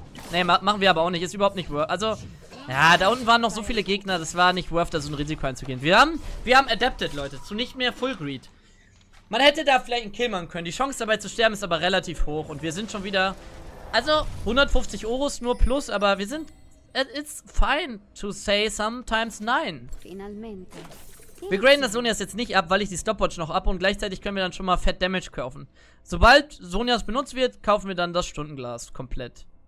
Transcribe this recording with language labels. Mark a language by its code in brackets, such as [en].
[de] Nee, machen wir aber auch nicht. Ist überhaupt nicht worth. Also, ja, da unten waren noch so viele Gegner. Das war nicht worth, da so ein Risiko einzugehen. Wir haben adapted, Leute. Zu nicht mehr Full Greed. Man hätte da vielleicht einen Kill machen können. Die Chance dabei zu sterben ist aber relativ hoch. Und wir sind schon wieder... Also, 150 Euros nur plus, aber wir sind... [en] It's fine to say sometimes nein. [it] Finalmente. [de] Wir graden das Sonias jetzt nicht ab, weil ich die Stopwatch noch ab und gleichzeitig können wir dann schon mal Fett Damage kaufen. Sobald Sonias benutzt wird, kaufen wir dann das Stundenglas komplett.